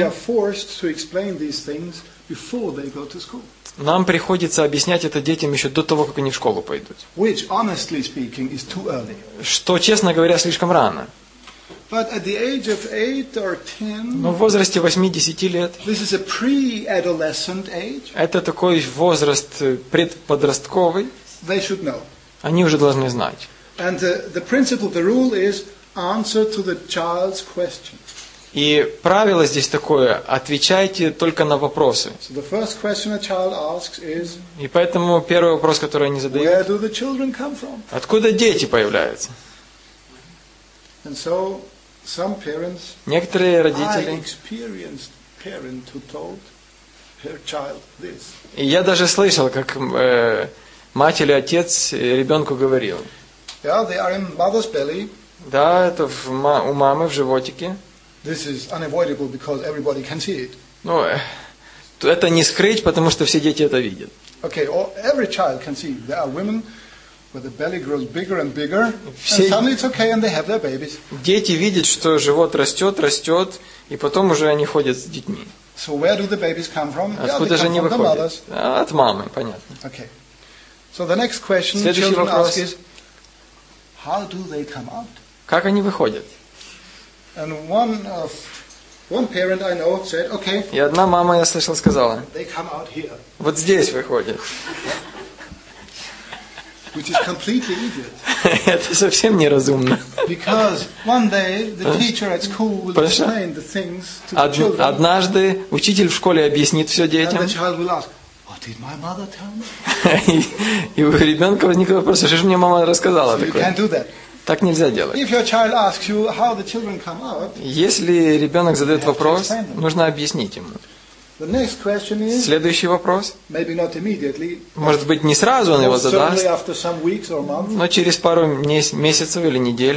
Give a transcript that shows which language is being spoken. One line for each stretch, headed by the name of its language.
English: we are forced to explain these things before they go to school.
Russian: Нам приходится объяснять это детям еще до того, как они в школу пойдут.
English: Which, honestly speaking, is too early.
Russian: Что, честно говоря, слишком рано.
English: But at the age of 8 or 10,
Russian: но в возрасте 8-10 лет,
English: this is a pre-adolescent age.
Russian: Это такой возраст предподростковый.
English: They should know.
Russian: Они уже должны знать.
English: And the principle, the rule is answer to the child's question.
Russian: И правило здесь такое: отвечайте только на вопросы.
English: So the first question a child asks is.
Russian: И поэтому первый вопрос, который они задают.
English: Where do the children come from?
Russian: Откуда дети появляются?
English: And so. Some parents,
Russian: некоторые родители,
English: I experienced parent who told her child this.
Russian: И я даже слышал, как мать или отец ребенку говорил.
English: Yeah, they are in mother's belly.
Russian: Да, это у мамы в животике.
English: This is unavoidable because everybody can see it.
Russian: Ну, это не скрыть, потому что все дети это видят.
English: Okay, or every child can see. There are women. But the belly grows bigger and bigger, and suddenly it's okay, and they have their babies.
Russian: Дети видят, что живот растет, и потом уже они ходят с детьми.
English: So where do the babies come from?
Russian: Откуда же они выходят? От мамы, понятно.
English: Okay. So the next question children ask is, how do they come out?
Russian: Как они выходят?
English: And one parent I know said, okay.
Russian: И одна мама, я слышал, сказала.
English: They come out here.
Russian: Вот здесь выходят.
English: Which is completely idiot.
Russian: Это совсем неразумно.
English: Because one day the teacher at school will explain the things to the children.
Russian: Однажды учитель в школе объяснит все детям.
English: And the child will ask, "What did my mother tell me?"
Russian: И у ребенка возникает вопрос: "Что же мне мама рассказала такое?"
English: You can't do that.
Russian: Так нельзя делать.
English: If your child asks you how the children come out,
Russian: если ребенок задает вопрос, нужно объяснить ему.
English: The next question is.
Russian: Следующий вопрос.
English: Maybe not immediately.
Russian: Может быть, не сразу он его задаст.
English: Certainly after some weeks or months.
Russian: Но через пару месяцев или недель.